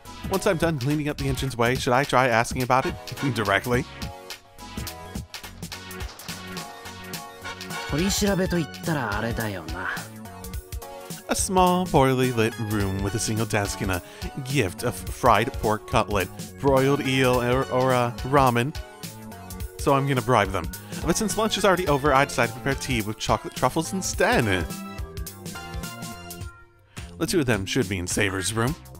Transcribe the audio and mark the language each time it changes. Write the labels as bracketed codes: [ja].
[en] Once I'm done cleaning up the entrance way, should I try asking about it directly? [ja] 取り調べと言ったらあれだよな。 [en] A small, poorly lit room with a single desk and a gift of fried pork cutlet, broiled eel, or ramen. So I'm gonna bribe them. But since lunch is already over, I decided to prepare tea with chocolate truffles instead. The two of them should be in Saber's room.